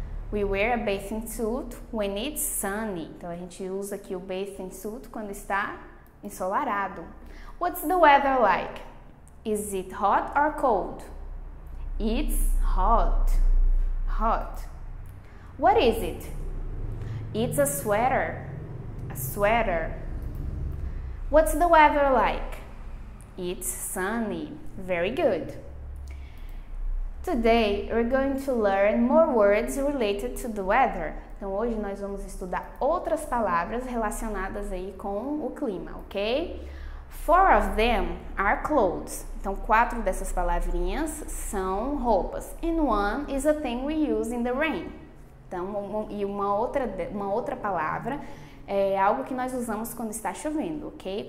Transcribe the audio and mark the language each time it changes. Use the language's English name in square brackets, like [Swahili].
[English] We wear a bathing suit when it's sunny. [Portuguese] Então a gente usa aqui o bathing suit quando está ensolarado. [English] What's the weather like? Is it hot or cold? It's hot. Hot. What is it? It's a sweater. A sweater. What's the weather like? It's sunny. Very good. Today, we're going to learn more words related to the weather. [Portuguese] Então, hoje nós vamos estudar outras palavras relacionadas aí com o clima, ok? [English] Four of them are clothes. [Portuguese] Então, quatro dessas palavrinhas são roupas. [English] And one is a thing we use in the rain. [Portuguese] Então, e uma outra palavra é algo que nós usamos quando está chovendo, ok?